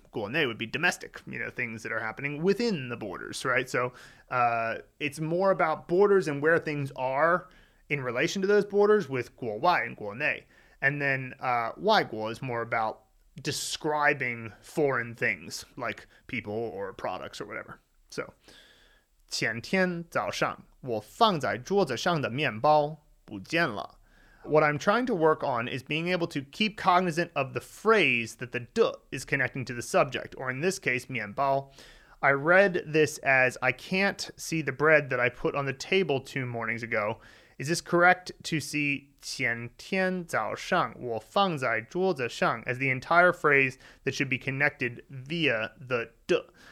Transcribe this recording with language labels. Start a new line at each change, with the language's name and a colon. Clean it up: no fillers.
English: 国内 would be domestic, you know, things that are happening within the borders, right? So it's more about borders and where things are in relation to those borders with 国外 and 国内. And then 外国 is more about describing foreign things like people or products or whatever. So,
Chinese: 前天早上我放在桌子上的面包不见了.
English: What I'm trying to work on is being able to keep cognizant of the phrase that the 的 is connecting to the subject, or in this case, 面包. I read this as I can't see the bread that I put on the table two mornings ago. Is this correct to see
Chinese: 前天早上我放在桌子上
English: as the entire phrase that should be connected via the 的?